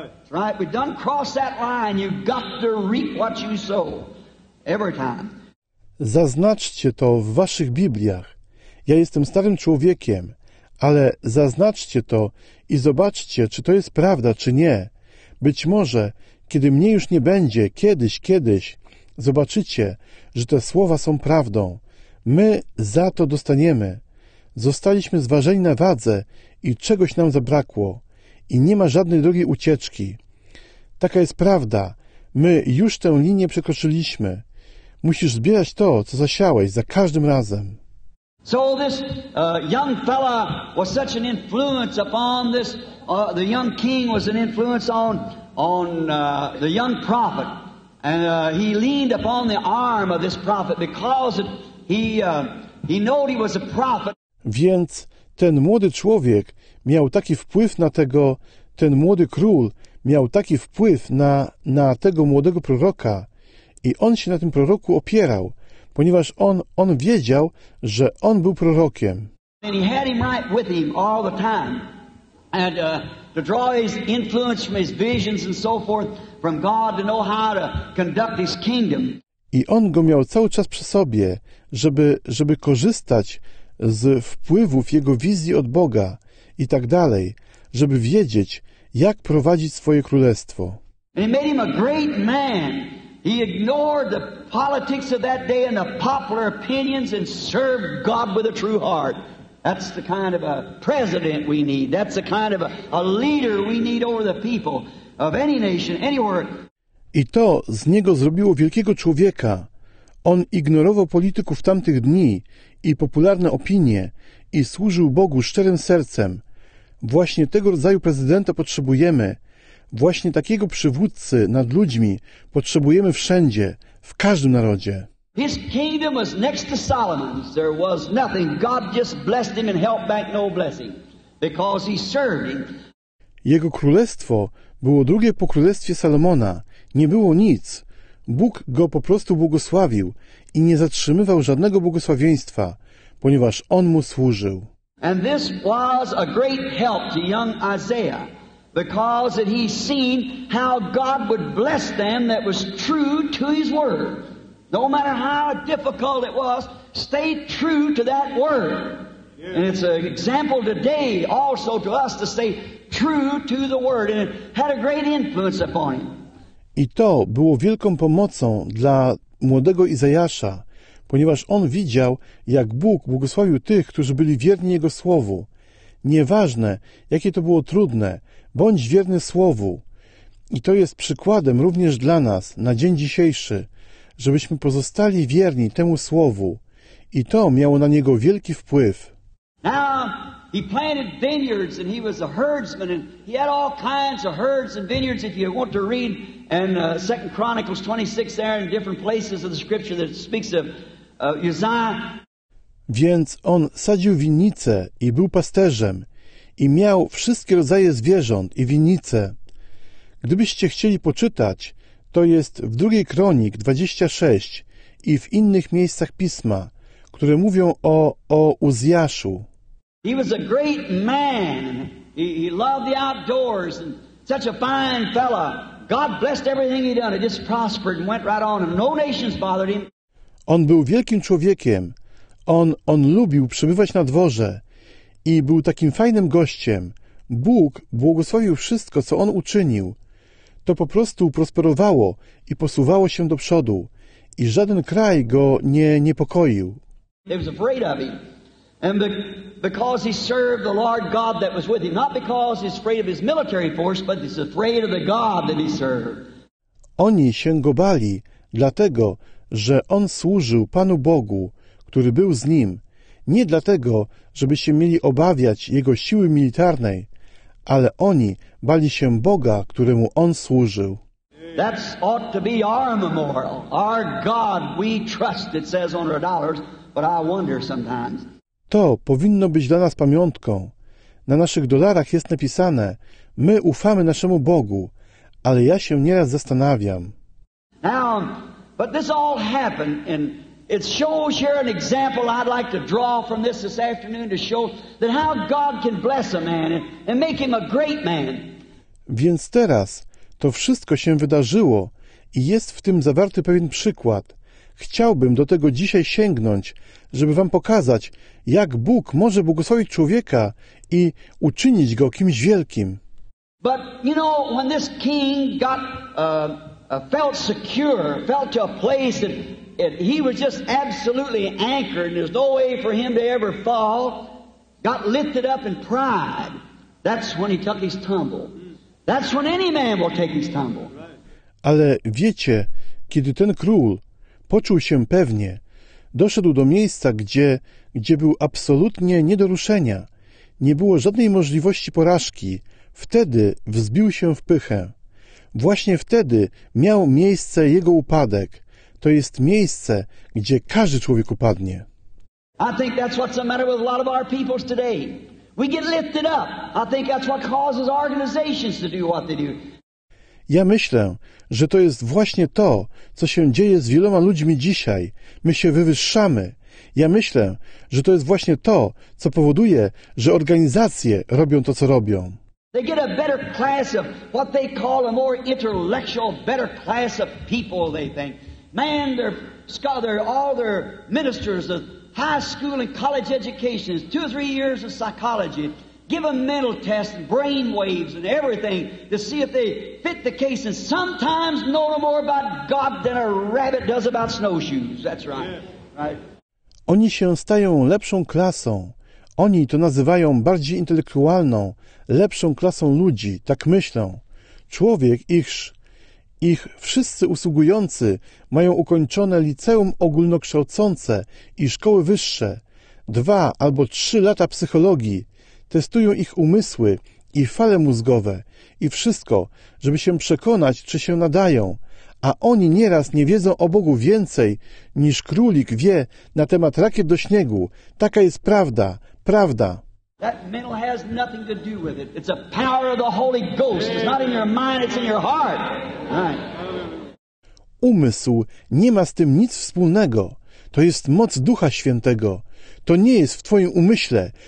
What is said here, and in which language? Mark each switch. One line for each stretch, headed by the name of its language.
English: Right, we've done cross that line. You've got to reap what you sow every time.
Polish: Zaznaczcie to w waszych Bibliach. Ja jestem starym człowiekiem, ale zaznaczcie to i zobaczcie, czy to jest prawda, czy nie. Być może, kiedy mnie już nie będzie, kiedyś, zobaczycie, że te słowa są prawdą. My za to dostaniemy. Zostaliśmy zważeni na wadze i czegoś nam zabrakło. I nie ma żadnej drogiej ucieczki. Taka jest prawda. My już tę linię przekroczyliśmy. Musisz zbierać to, co zasiałeś, za każdym razem.
English: So this young fella was such an influence upon this, the young king was an influence on the young prophet. And he leaned upon the arm of this prophet because he knew he was a prophet.
Polish: Więc ten młody człowiek miał taki wpływ na tego, ten młody król miał taki wpływ na tego młodego proroka i on się na tym proroku opierał, ponieważ on wiedział, że on był prorokiem.
English: And he had him right with him all the time. And to draw his influence from his visions and so forth from God to know how to conduct his kingdom.
Polish: I on go miał cały czas przy sobie, żeby korzystać z wpływów jego wizji od Boga i tak dalej, żeby wiedzieć, jak prowadzić swoje królestwo.
English: And he made him a great man. He ignored the politics of that day and the popular opinions and served God with a true heart. That's the kind of a president we need. That's the kind of a leader we need over the people of any nation, anywhere.
Polish: I to z niego zrobiło wielkiego człowieka. On ignorował polityków tamtych dni i popularne opinie i służył Bogu szczerym sercem. Właśnie tego rodzaju prezydenta potrzebujemy. Właśnie takiego przywódcy nad ludźmi potrzebujemy wszędzie, w każdym narodzie.
English: His kingdom was next to Solomon's. There was nothing. God just blessed him and held back no blessing because he served him.
Polish: Jego królestwo było drugie po królestwie Salomona. Nie było nic. Bóg go po prostu błogosławił i nie zatrzymywał żadnego błogosławieństwa, ponieważ on mu służył.
English: And this was a great help to young Isaiah because that he seen how God would bless them that was true to his word. No matter how difficult it was, stay true to that word. And it's an example today also to us to stay true to the word. And it had a great influence upon him.
Polish: I to było wielką pomocą dla młodego Izajasza, ponieważ on widział, jak Bóg błogosławił tych, którzy byli wierni Jego Słowu. Nieważne, jakie to było trudne, bądź wierny Słowu. I to jest przykładem również dla nas na dzień dzisiejszy, żebyśmy pozostali wierni temu Słowu. I to miało na niego wielki wpływ.
English: Now, he planted vineyards and he was a herdsman and he had all kinds of herds and vineyards. If you want to read in 2 Chronicles 26 there in different places of the scripture that speaks of Uzziah.
Polish: Więc on sadził winnice i był pasterzem i miał wszystkie rodzaje zwierząt i winnice. Gdybyście chcieli poczytać, to jest w 2 Kronik 26 i w innych miejscach Pisma, które mówią o Uzjaszu.
English: He was a great man. He loved the outdoors and such a fine fella. God blessed everything he done. It just prospered and went right on him. No nations bothered him.
Polish: On był wielkim człowiekiem. On lubił przebywać na dworze i był takim fajnym gościem. Bóg błogosławił wszystko, co on uczynił. To po prostu prosperowało i posuwało się do przodu i żaden kraj go nie niepokoił.
English: He was afraid of him. And because he served the Lord God that was with him, not because he's afraid of his military force, but he's afraid of the God that he served.
Polish: Oni się go bali, dlatego, że on służył Panu Bogu, który był z nim. Nie dlatego, żeby się mieli obawiać jego siły militarnej, ale oni bali się Boga, któremu on służył.
English: That ought to be our memorial. Our God we trust, it says on our dollars, but I wonder sometimes.
Polish: To powinno być dla nas pamiątką. Na naszych dolarach jest napisane: my ufamy naszemu Bogu, ale ja się nieraz zastanawiam.
English: Now, but this all happened and it shows here an example I'd like to draw from this afternoon to show that how God can bless a man and make him a great man.
Polish: Więc teraz to wszystko się wydarzyło i jest w tym zawarty pewien przykład. Chciałbym do tego dzisiaj sięgnąć, żeby wam pokazać, jak Bóg może błogosławić człowieka i uczynić go kimś wielkim.
English: But you know, when this king got felt secure, felt to a place that he was just absolutely anchored and there's no way for him to ever fall, got lifted up in pride, that's when he took his tumble. That's when any man will take his tumble.
Polish: Ale wiecie, kiedy ten król poczuł się pewnie, doszedł do miejsca, gdzie był absolutnie nie do ruszenia. Nie było żadnej możliwości porażki. Wtedy wzbił się w pychę. Właśnie wtedy miał miejsce jego upadek. To jest miejsce, gdzie każdy człowiek upadnie.
English: I think that's what's the matter with a lot of our peoples today. We get lifted up. I think that's what causes organizations to do what they do.
Polish: Ja myślę, że to jest właśnie to, co się dzieje z wieloma ludźmi dzisiaj. My się wywyższamy. Ja myślę, że to jest właśnie to, co powoduje, że organizacje robią to, co robią.
English: They get a better class of what they call a more intellectual, better class of people, they think. Man, all their ministers of high school and college education, 2 or 3 years of psychology, give them mental tests and brain waves and everything to see if they fit the case, and sometimes know more about God than a rabbit does about snowshoes. That's right. Yeah. Right.
Polish: Oni się stają lepszą klasą. Oni to nazywają bardziej intelektualną, lepszą klasą ludzi, tak myślą. Człowiek, ich wszyscy usługujący mają ukończone liceum ogólnokształcące i szkoły wyższe. 2 albo 3 lata psychologii testują ich umysły i fale mózgowe i wszystko, żeby się przekonać, czy się nadają. A oni nieraz nie wiedzą o Bogu więcej, niż królik wie na temat rakiet do śniegu. Taka jest prawda. Prawda.
English: That mental has nothing to do with it. It's a power of the Holy Ghost. It's not in your mind, it's in your heart. Right.
Polish: Umysł nie ma z tym nic wspólnego. To jest moc Ducha Świętego. To nie jest w twoim umyśle.